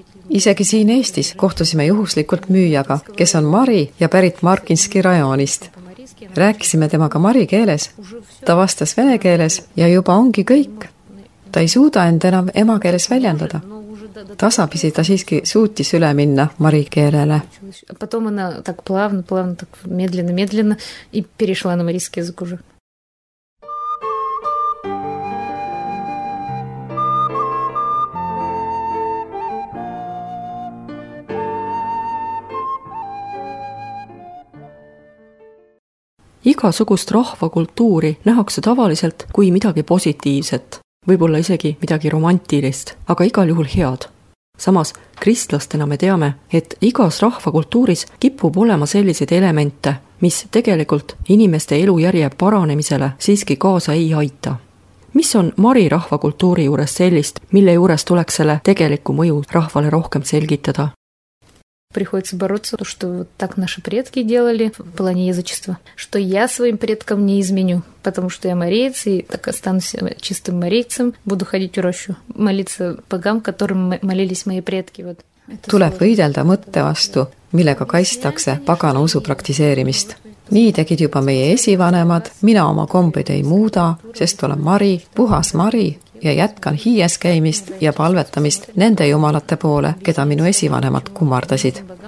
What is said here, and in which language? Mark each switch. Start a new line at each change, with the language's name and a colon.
Estonian: Isegi siin Eestis kohtusime juhuslikult müüjaga, kes on Mari ja pärit Markinski rajoonist. Rääkisime temaga mari keeles, ta vastas vene keeles ja juba ongi kõik. Ta ei suuda end enam emakeeles väljendada. Tasapisi ta siiski suutis üle minna mari keelele.
Russian: Потом она так плавно, так медленно и перешла на марийский язык уже. Thank you.
Estonian: Igasugust rahvakultuuri nähakse tavaliselt kui midagi positiivset, võib-olla isegi midagi romantilist, aga igal juhul head. Samas, kristlastena me teame, et igas rahvakultuuris kipub olema sellised elemente, mis tegelikult inimeste elujärje paranemisele siiski kaasa ei aita. Mis on Mari rahvakultuuri juures sellist, mille juures tuleks selle tegeliku mõju rahvale rohkem selgitada?
Russian: Приходится бороться, то, что так наши предки делали в плане язычества, что я своим предкам не изменю, потому что я мариец и так останусь чистым мариецем, буду ходить в рощу, молиться богам, которым молились мои предки. Вот.
Estonian: Tuleb võidelda mõtte vastu, millega kaistakse pagana usu praktiseerimist. Nii tegid juba meie esivanemad, mina oma kombeid ei muuda, sest olen Mari, puhas Mari ja jätkan hiies käimist ja palvetamist nende jumalate poole, keda minu esivanemad kummardasid.